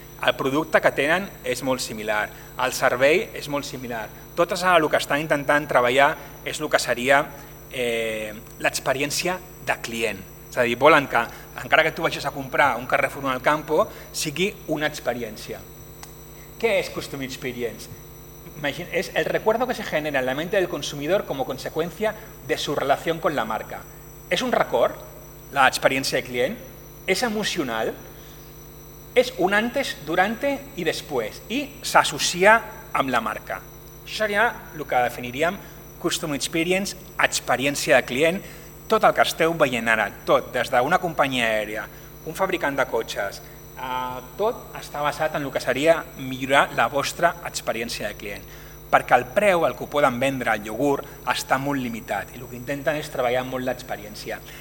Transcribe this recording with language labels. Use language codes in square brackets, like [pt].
[ca] El producte que tenen és molt similar, el servei és molt similar. Totes el que estan intentant treballar és el que seria l'experiència de client. És a dir, volen que, encara que tu vagis a comprar un Carrefour en el campo, sigui una experiència. Què és Custom Experience? [es] Es el recuerdo que se genera en la mente del consumidor como consecuencia de su relación con la marca. ¿Es un record, la experiencia del cliente? ¿Es emocional? Es un antes, durante y después. Y se asocia con la marca. Eso sería lo que definiríamos Custom Experience, experiencia del cliente. [ca] Todo el que esteu veient ara, tot, des de una companyia aèria, un fabricant de cotxes, tot està basat en el que seria millorar la vostra experiència de client, perquè el preu al que ho poden vendre el iogurt està molt limitat i el que intenten és treballar molt l'experiència.